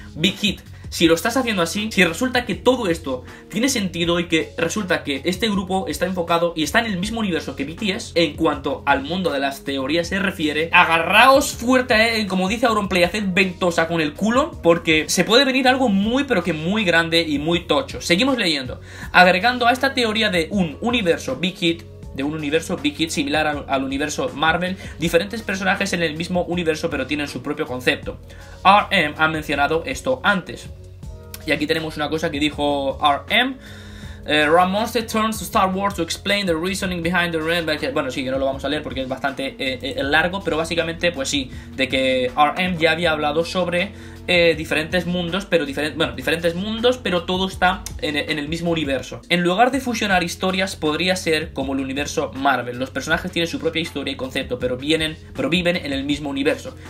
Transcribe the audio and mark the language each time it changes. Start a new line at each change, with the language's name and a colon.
Spanish: Big Hit, si lo estás haciendo así, si resulta que todo esto tiene sentido y que resulta que este grupo está enfocado y está en el mismo universo que BTS, en cuanto al mundo de las teorías se refiere, agarraos fuerte, como dice Auronplay, haced ventosa con el culo, porque se puede venir algo muy, pero que muy grande y muy tocho. Seguimos leyendo. Agregando a esta teoría de un universo Big Hit, de un universo Big Hit similar al universo Marvel, diferentes personajes en el mismo universo pero tienen su propio concepto. RM ha mencionado esto antes. Y aquí tenemos una cosa que dijo RM.
English: Ron Monster turns to Star Wars to explain the reasoning behind the rebel.
Spanish: Bueno, sí, que no lo vamos a leer porque es bastante largo, pero básicamente, pues sí, de que RM ya había hablado sobre diferentes mundos, pero diferentes mundos, pero todo está en el mismo universo. En lugar de fusionar historias, podría ser como el universo Marvel. Los personajes tienen su propia historia y concepto, pero viven en el mismo universo.